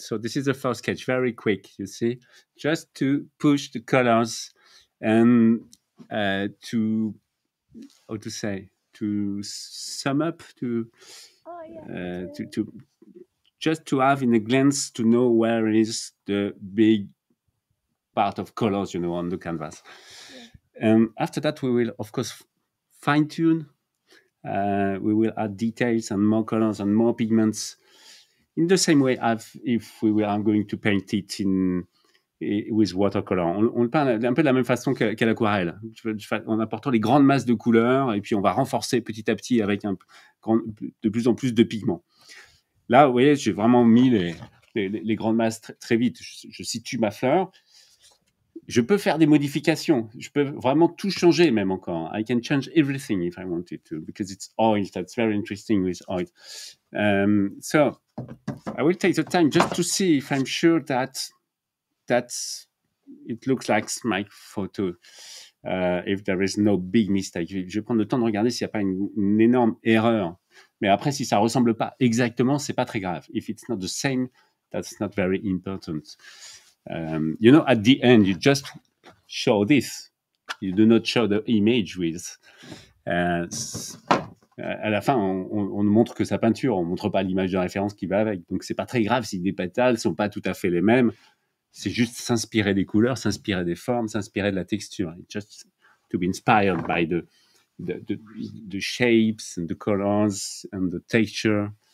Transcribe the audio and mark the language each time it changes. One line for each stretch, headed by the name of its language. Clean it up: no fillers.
English: So this is the first sketch, very quick, you see. Just to push the colors and to sum up, to have in a glance to know where is the big part of colors, you know, on the canvas. Yeah. After that, we will, of course, fine-tune. We will add details and more colors and more pigments in the same way as if we were going to paint it in with watercolor.
French: On peint un peu de la même façon qu'à l'aquarelle, en apportant les grandes masses de couleurs, et puis on va renforcer petit à petit avec de plus en plus de pigments. Là, vous voyez, j'ai vraiment mis les grandes masses très vite. Je situe ma fleur. Je peux faire des modifications. Je peux vraiment tout changer, même encore.
English: I can change everything if I wanted to, because it's oil. That's very interesting with oil. So I will take the time just to see if I'm sure that it looks like my photo. If there is no big mistake,
French: je vais prendre le temps de regarder s'il n'y a pas une énorme erreur. Mais après, si ça ne ressemble pas exactement, ce n'est pas très grave.
English: If it's not the same, that's not very important. You know, at the end, you just show this. You do not show the image with...
French: à la fin, on ne montre que sa peinture. On ne montre pas l'image de référence qui va avec. Donc, ce n'est pas très grave si les pétales ne sont pas tout à fait les mêmes. C'est juste s'inspirer des couleurs, s'inspirer des formes, s'inspirer de la texture.
English: It's just to be inspired by the shapes and the colors and the texture.